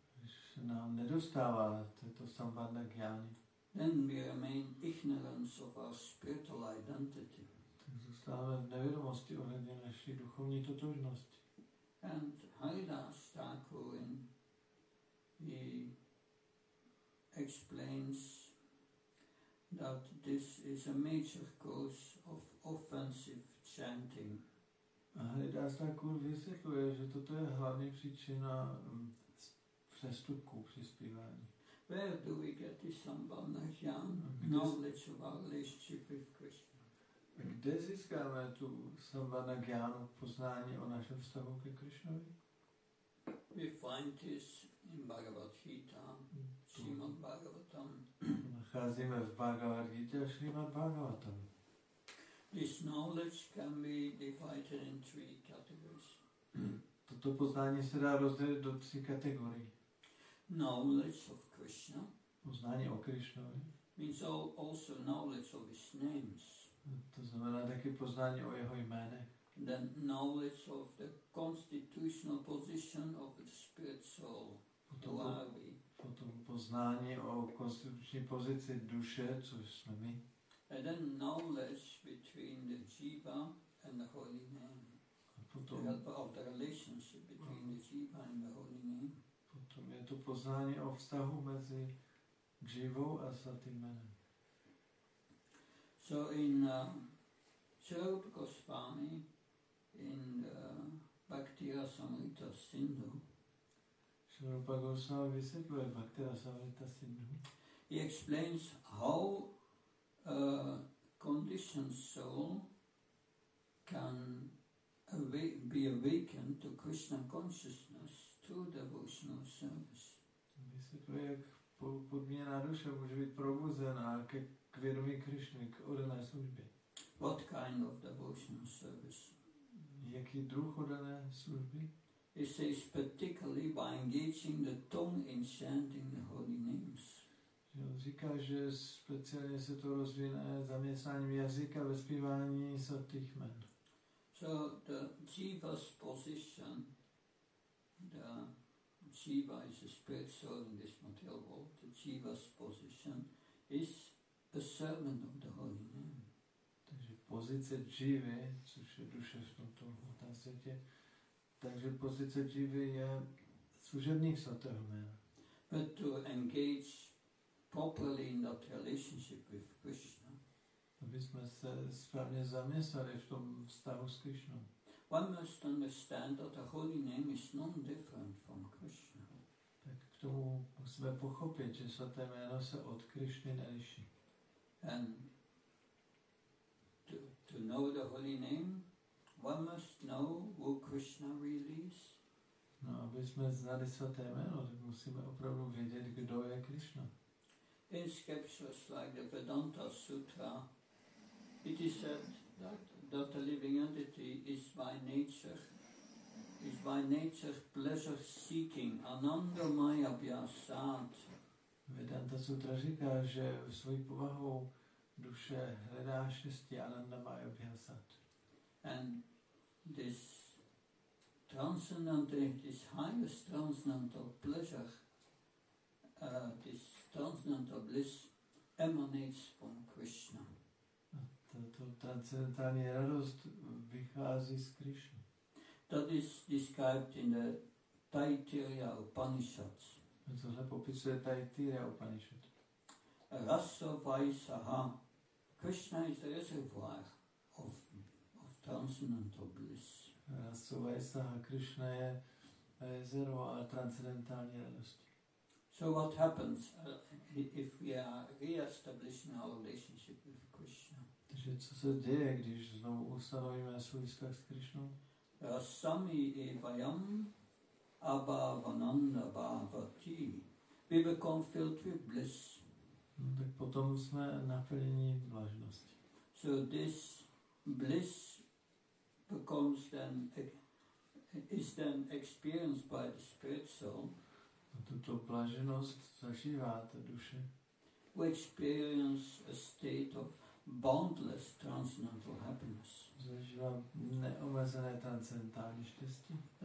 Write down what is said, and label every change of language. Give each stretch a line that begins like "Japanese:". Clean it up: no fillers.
Czech: když se nám nedostává této sambandha jnany,
English: then we remain ignorant of our spiritual identity.
Czech: Tak zůstáváme v nevědomosti ohledně naší duchovní totožnosti.
English: And Haridas Thakur he explains that this is a major cause of offensive chanting.
Czech: Haridas Thakur vysvětluje, že toto je hlavní příčina přestupku při zpívání.
English: Where do we get this sambandha jnana, knowledge of our relationship with Krishna?
Czech: Kde získáme tu sambandha jnanu, poznání o našem vztahu ke Krišnovi?
English: We find this in Bhagavad Gita, Srimad Bhagavatam.
Czech: Nacházíme v Bhagavad Gita a Srimad Bhagavatam.
English: This knowledge can be divided in three categories.
Czech: Toto poznání se dá rozdělit do tří kategorií.
English: Knowledge of Krishna.
Czech: Poznání o Krišnovi.
English: Means also knowledge of his names.
Czech: To znamená taky poznání o jeho jménech.
English: The knowledge of the constitutional position of the spirit soul.
Czech: Potom poznání o konstituční pozici duše, což jsme my.
English: And then knowledge between the jiva and the holy name. The relationship between the jiva and the holy name.
Czech: Potom je to poznání o vztahu mezi jivou a svatým jménem.
English: So in Sarupa Goswami, in Bhakti Rasamrita Sindhu,
Czech: Sarupa Goswami vysvětluje Bhakti Rasamrita Sindhu.
English: He explains how conditioned soul can be awakened to Krishna consciousness through devotional service.
Czech: Vysvětluje, jak podmíněná duše může být probuzená k vědomí Krišny, k oddané službě.
English: What kind of devotional service?
Czech: Jaký druh oddané služby?
English: He says particularly by engaging the tongue in chanting the holy names.
Czech: Říká, že speciálně se to rozvíjí zaměstnáním jazyka ve zpívání svatých jmen.
English: So the jiva's position, the jiva is a spirit soul in this material world, the jiva's position is the servant of the holy name.
Czech: Takže pozice jivy, což je duše v tomto hmotném světě, takže pozice jivy je služebník svatého jména.
English: But to engage properly in that relationship with Krishna.
Czech: Aby jsme se správně zaměstnali v tom vztahu s Krishnou.
English: One must understand that the holy name is non-different from Krishna.
Czech: Tak k tomu musíme pochopit, že svaté jméno se od Krishny neliší.
English: And to know the holy name, one must know who Krishna really is.
Czech: No, aby jsme znali svaté jméno, tak musíme opravdu vědět, kdo je Krishna.
English: In scriptures like the Vedanta Sutra, it is said that the living entity is by nature. Is by nature pleasure seeking.
Sanskrit: Ananda Maya Vyasat.
Czech: Vedanta Sutra říká, že svojí povahou duše hledá štěstí.
Sanskrit: Ananda Maya Vyasat.
English: And this transcendental, this highest transcendental pleasure, this transcendental bliss emanates from Krishna.
Czech: To transcendentální radost vychází z Krishna.
English: That is described in the Taittiriya Upanishads.
Czech: Tohle popisuje Taittiriya Upanishad.
Sanskrit: Rasa Vaisaha.
English: Krishna is the reservoir of transcendental bliss.
Sanskrit: Rasa Vaisaha.
Czech: Krishna je jezero a transcendentální radost.
English: So what happens if we are re-establishing our relationship with Krishna?
Czech: Takže co se děje, když znovu ustanovíme svůj vztah s Krishnou?
Sanskrit: Rasami evayam abhavananda bhavati.
English: We become filled with bliss.
Czech: No, tak potom jsme naplněni vlažnosti.
English: So this bliss becomes then, is then experienced by the spirit soul.
Czech: A tuto blaženost zažívá ta duše.
English: We experience a state of boundless transcendental happiness.
Czech: Zažívá neomezené transcendentální štěstí.